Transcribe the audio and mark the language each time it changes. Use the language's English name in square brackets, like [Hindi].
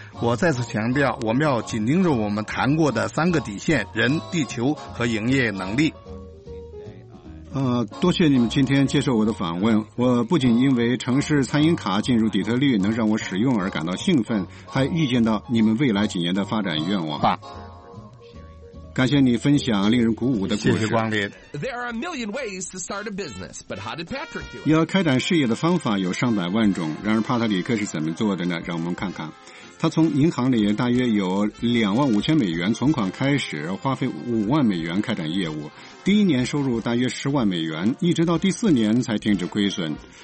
[Chinese] 我再次强调，我们要紧盯着我们谈过的三个底线：人、地球和营业能力。多谢你们今天接受我的访问。我不仅因为城市餐饮卡进入底特律能让我使用而感到兴奋，还预见到你们未来几年的发展愿望。爸，感谢你分享令人鼓舞的故事。谢谢光临。 [English] There are a million ways to start a business, but how did Patrick do it? [Chinese] 要开展事业的方法有上百万种，然而帕特里克是怎么做的呢？让我们看看。他从银行里大约有25000美元存款开始，花费50000美元开展业务。第一年收入大约100000美元，一直到第四年才停止亏损。